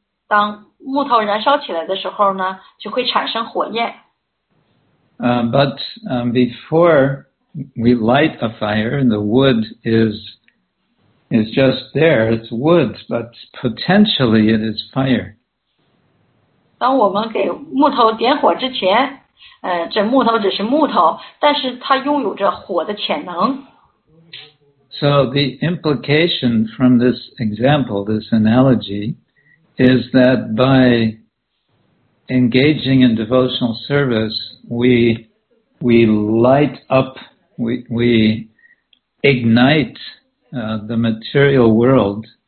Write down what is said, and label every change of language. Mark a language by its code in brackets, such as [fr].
[zh] 当木头燃烧起来的时候呢，就会产生火焰。 [en] But before we light a fire, the wood is just there. It's wood, but potentially it is fire. [zh] 当我们给木头点火之前，这木头只是木头，但是它拥有着火的潜能。 [en] So the implication from this example, this analogy, is that by engaging in devotional service, we light up, we ignite the material world.